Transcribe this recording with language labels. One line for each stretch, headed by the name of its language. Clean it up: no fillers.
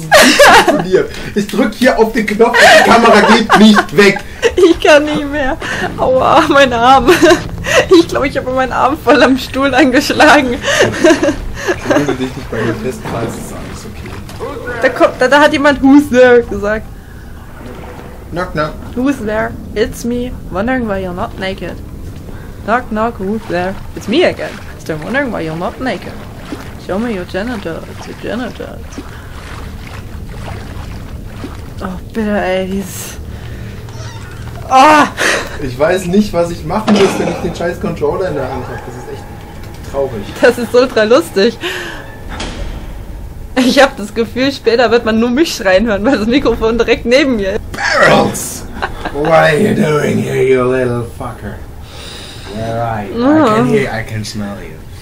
German: Wie es funktioniert. Ich drück hier auf den Knopf und die Kamera geht nicht weg. Ich kann nicht mehr. Aua, mein Arm. Ich glaube, ich habe meinen Arm voll am Stuhl angeschlagen. Ich will dich nicht bei dem Test, falls es alles okay. Da hat jemand
English: Who's there
German: gesagt.
English: Knock, knock. Who's there? It's me. Wondering why you're not naked. Knock, knock, who's there? It's me again. Still wondering why you're not naked. Show me your genitals, your genitals.
German: Oh, bitte, ey, dieses... Ah! Ich weiß nicht, was ich machen muss, wenn ich den scheiß Controller in der Hand habe. Das ist echt traurig. Das ist ultra lustig. Ich habe das Gefühl, später wird man nur mich schreien hören, weil das Mikrofon direkt neben mir ist.
English: Barrels! What are you doing here, you little fucker? Where are you? I can hear you. I can smell you.